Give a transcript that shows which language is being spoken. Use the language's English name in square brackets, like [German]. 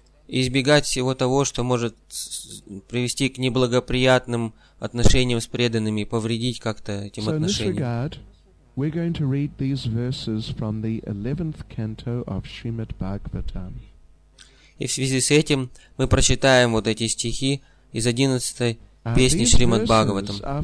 [Russian] Избегать всего того, что может привести к неблагоприятным отношениям с преданными, повредить как-то этим отношениям. [English] We're going to read these verses from the 11th canto of Srimad Bhagavatam. [Russian] И в связи с этим мы прочитаем вот эти стихи из 11-й песни Шримад Бхагаватам.